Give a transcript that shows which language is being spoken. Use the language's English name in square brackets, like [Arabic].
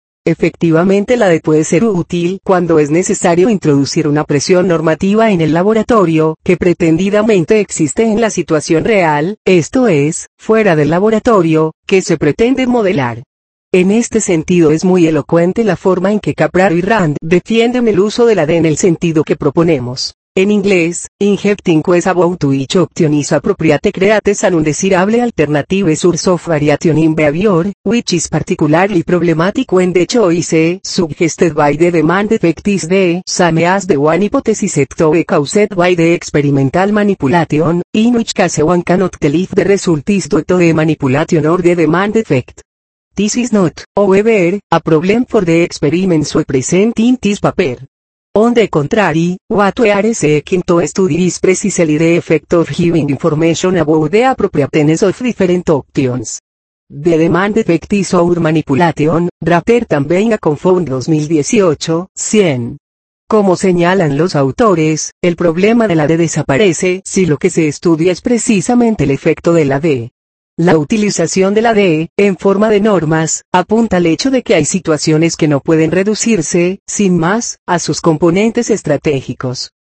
[Spanish] Efectivamente, la D puede ser útil cuando es necesario introducir una presión normativa en el laboratorio que pretendidamente existe en la situación real, esto es, fuera del laboratorio, que se pretende modelar. En este sentido es muy elocuente la forma en que Capraro y Rand defienden el uso de la D en el sentido que proponemos. En inglés, [English] injecting quest about which option is appropriate creates an undesirable alternative source of variation in behavior, which is particularly problematic when the choice suggested by the demand effect is the same as the one hypothesis et to be caused by the experimental manipulation, in which case one cannot tell if the result is due to the manipulation or the demand effect. This is not, however, a problem for the experiments we present in this paper. On the contrary, what we are seeking to study is precisely the effect of giving information about the appropriateness of different options. The demand effect is our manipulation, rather than being a confound 2018, 100. [Spanish] Como señalan los autores, el problema de la D desaparece si lo que se estudia es precisamente el efecto de la D. La utilización de la D, en forma de normas, apunta al hecho de que hay situaciones que no pueden reducirse, sin más, a sus componentes estratégicos.